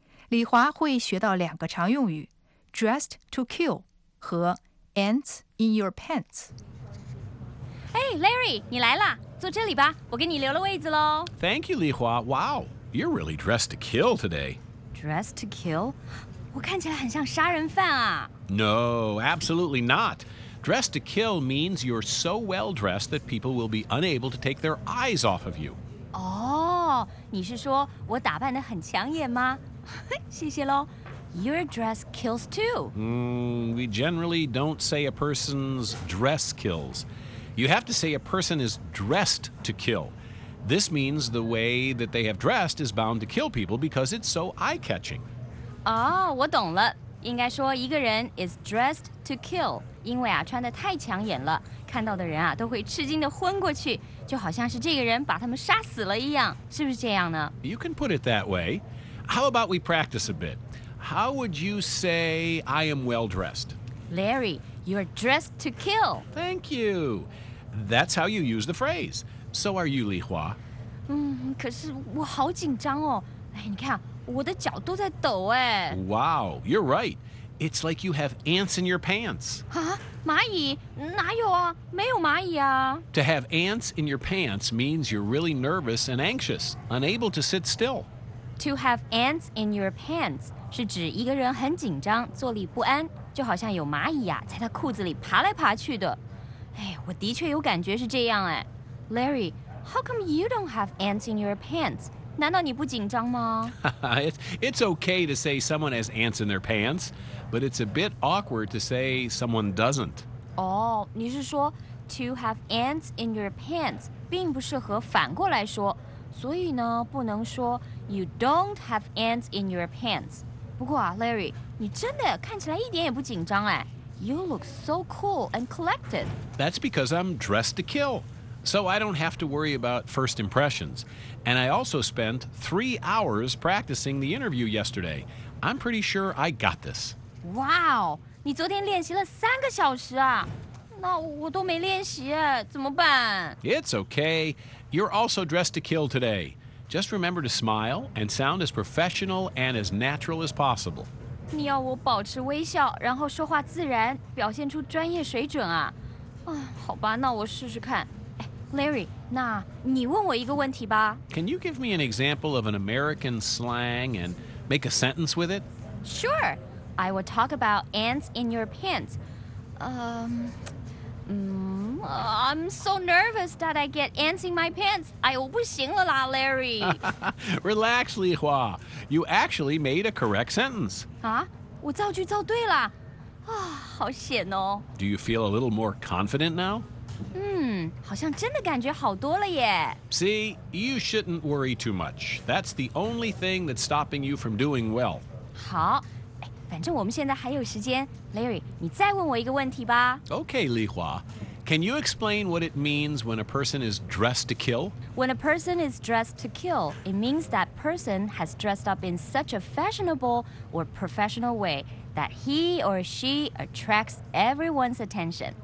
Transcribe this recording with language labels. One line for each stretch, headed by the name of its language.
Chinese: 李华会学到两个常用语
English: dressed to kill
Chinese: 和
English: ants in your pants。
Chinese: Hey Larry, 你来了，坐这里吧，我给你留了位子咯。
English: Thank you, 李华。Wow, you're really dressed to kill today. Dressed to kill?
Chinese: 我看起来很像杀人犯啊。
English: No, absolutely notDressed to kill means you're so well-dressed that people will be unable to take their eyes off of you.
Chinese: Oh, 你是说我打扮得很抢眼吗？谢谢咯。
English: Your dress kills too. We generally don't say a person's dress kills. You have to say a person is dressed to kill. This means the way that they have dressed is bound to kill people because it's so eye-catching.
Chinese: Oh, 我懂了。应该说一个人
English: is dressed to kill,
Chinese: 因为啊穿得太抢眼了，看到的人啊都会吃惊地昏过去，就好像是这个人把他们杀死了一样，是不是这样呢？
English: You can put it that way. How about we practice a bit? How would you say I am well dressed? Larry, you're dressed to kill. Thank you. That's how you use the phrase. So are you, Li Hua.
Chinese: 可是我好紧张哦。哎，你看我的脚都在抖哎。
English: Wow, you're right. It's like you have ants in your pants.
Chinese: 蚂蚁？哪有啊？没有蚂蚁啊。
English: To have ants in your pants means you're really nervous and anxious, unable to sit still. To have ants in your pants
Chinese: 是指一个人很紧张，坐立不安，就好像有蚂蚁啊，在他裤子里爬来爬去的。哎，我的确有感觉是这样哎。
English: Larry, how come you don't have ants in your pants?
Chinese: 难道你不紧张吗？
English: It's okay to say someone has ants in their pants, but it's a bit awkward to say someone doesn't.
Chinese: 你是说
English: to have ants in your pants
Chinese: 并不适合反过来说，所以呢不能说
English: you don't have ants in your pants。
Chinese: 不过啊 Larry， 你真的看起来一点也不紧张哎。
English: You look so cool and collected. That's because I'm dressed to kill. So I don't have to worry about first impressions. And I also spent 3 hours practicing the interview yesterday. I'm pretty sure I got this.
Chinese: Wow, 你昨天练习了3个小时啊。那我都没练习耶，怎么办？
English: It's okay. You're also dressed to kill today. Just remember to smile and sound as professional and as natural as possible.
Chinese: 你要我保持微笑，然后说话自然，表现出专业水准啊？啊，好吧，那我试试看。哎，Larry，那你问我一个问题吧。
English: Can you give me an example of an American slang and make a sentence with it? Sure. I will talk about ants in your pants. I'm so nervous that I get ants in my pants.
Chinese: 哎呦，不行了啦，Larry。
English: Relax, Li Hua. You actually made a correct sentence.
Chinese: 啊，我造句造对了。啊，好险哦。
English: Do you feel a little more confident now?
Chinese: 好像真的感觉好多了耶。
English: See, you shouldn't worry too much. That's the only thing that's stopping you from doing well.
Chinese: 好。反正我们现在还有时间 ，Larry， 你再问我一个问题吧。
English: Okay, Li Hua, can you explain what it means when a person is dressed to kill? When a person is dressed to kill, it means that person has dressed up in such a fashionable or professional way that he or she attracts everyone's attention.